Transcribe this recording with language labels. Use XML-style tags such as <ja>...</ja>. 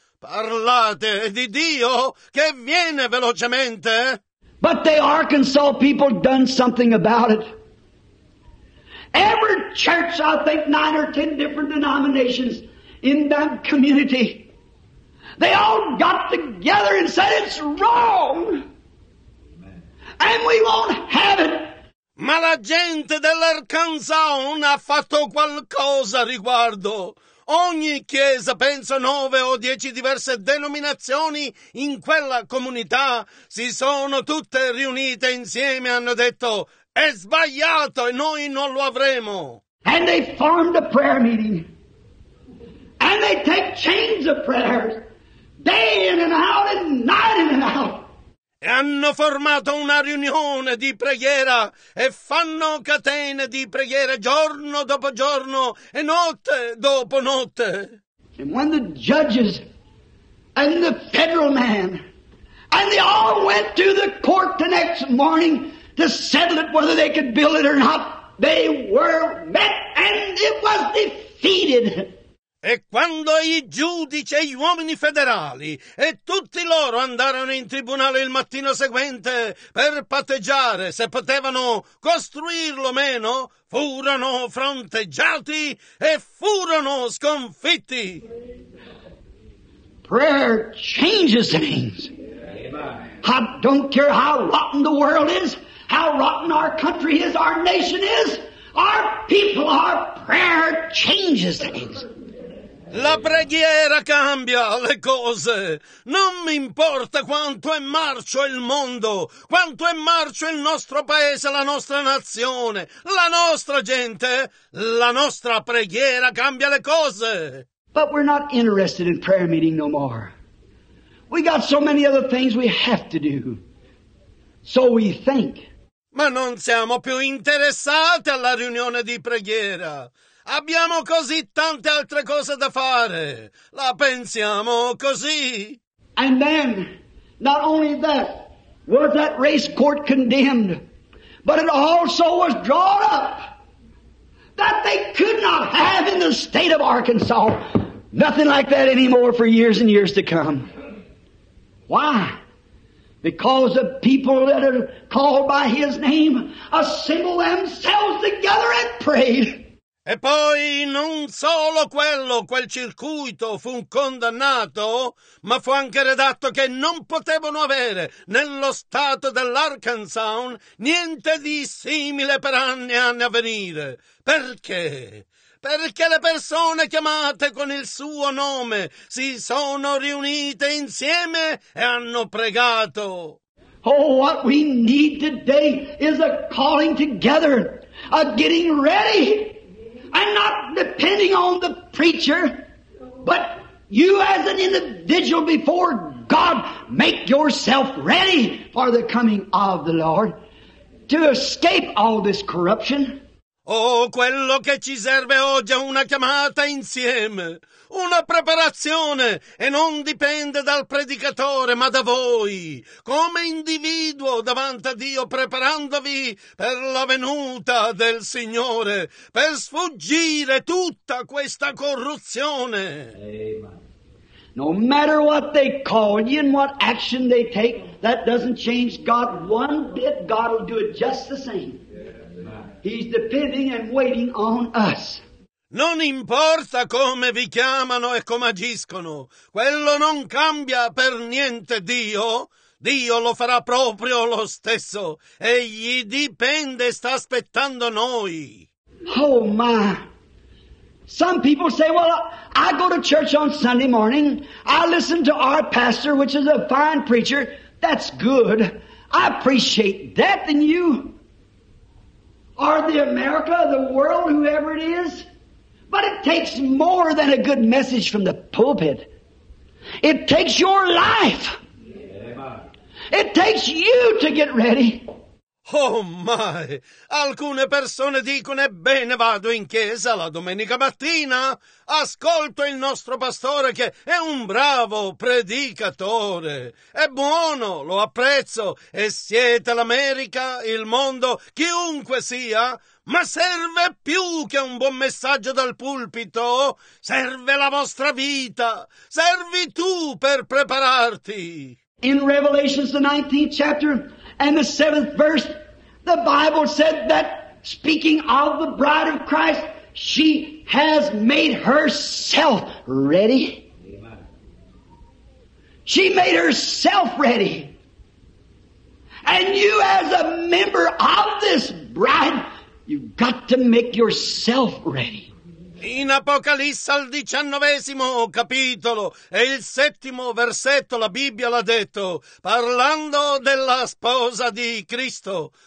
<it>Parlate di Dio che viene velocemente.</it> <en>But the Arkansas people done something about it. Every church, I think 9 or 10 different denominations in that community, they all got together and said it's wrong. And we won't have it.</en> <it>Ma la gente dell'Arkansas ha fatto qualcosa a riguardo. Ogni chiesa, penso 9 o 10 diverse denominazioni in quella comunità, si sono tutte riunite insieme e hanno detto, è sbagliato e noi non lo avremo.</it> <en>And they formed a prayer meeting. And they take chains of prayers, day in and out and night in and out.</en> <it>E hanno formato una riunione di preghiera e fanno catene di preghiera giorno dopo giorno e notte dopo notte.</it> <en>And when the judges and the federal man and they all went to the court the next morning to settle it whether they could build it or not, they were met and it was defeated.</en> <it>E quando i giudici e gli uomini federali e tutti loro andarono in tribunale il mattino seguente per patteggiare se potevano costruirlo o meno, furono fronteggiati e furono sconfitti.</it> <en>Prayer changes things. I don't care how rotten the world is, how rotten our country is, our nation is, our people, our prayer changes things.</en> <it>La preghiera cambia le cose. Non mi importa quanto è marcio il mondo, quanto è marcio il nostro paese, la nostra nazione, la nostra gente. La nostra preghiera cambia le cose.</it> <en>But we're not interested in prayer meeting no more. We got so many other things we have to do. So we think.</en> <it>Ma non siamo più interessati alla riunione di preghiera. Abbiamo così tante altre cose da fare. La pensiamo così.</it> <en>And then, not only that, was that race court condemned, but it also was drawn up that they could not have in the state of Arkansas nothing like that anymore for years and years to come. Why? Because the people that are called by His name assemble themselves together and pray.</en> <it>E poi non solo quello, quel circuito fu condannato, ma fu anche redatto che non potevano avere nello stato dell'Arkansas niente di simile per anni e anni a venire. Perché? Perché le persone chiamate con il suo nome si sono riunite insieme e hanno pregato.</it> <en>Oh, what we need today is a calling together, a getting ready. And not depending on the preacher, but you as an individual before God, make yourself ready for the coming of the Lord to escape all this corruption.</en> <it>Oh, quello che ci serve oggi è una chiamata insieme, una preparazione, e non dipende dal predicatore, ma da voi, come individuo davanti a Dio, preparandovi per la venuta del Signore, per sfuggire tutta questa corruzione.</it> <en>Amen. No matter what they call you and what action they take, that doesn't change God one bit. God will do it just the same. He's depending and waiting on us.</en> <it>Non importa come vi chiamano e come agiscono, quello non cambia per niente Dio. Dio lo farà proprio lo stesso. Egli dipende e sta aspettando noi.</it> <en>Oh my. Some people say, well, I go to church on Sunday morning. I listen to our pastor, which is a fine preacher. That's good. I appreciate that in you. Or the America, the world, whoever it is. But it takes more than a good message from the pulpit. It takes your life. Yeah. It takes you to get ready. Oh my!</en> <it>Alcune persone dicono, ebbene, vado in chiesa la domenica mattina, ascolto il nostro pastore che è un bravo predicatore, è buono, lo apprezzo, e siete l'America, il mondo, chiunque sia, ma serve più che un buon messaggio dal pulpito, serve la vostra vita, servi tu per prepararti.</it> <en>In Revelation, the 19th chapter, and the 7th verse, the Bible said that, speaking of the bride of Christ, she has made herself ready. Amen. She made herself ready. And you as a member of this bride, you've got to make yourself ready.</en> <it>In Apocalisse al 19 capitolo e il 7 versetto, la Bibbia l'ha detto, parlando della sposa di Cristo.</it>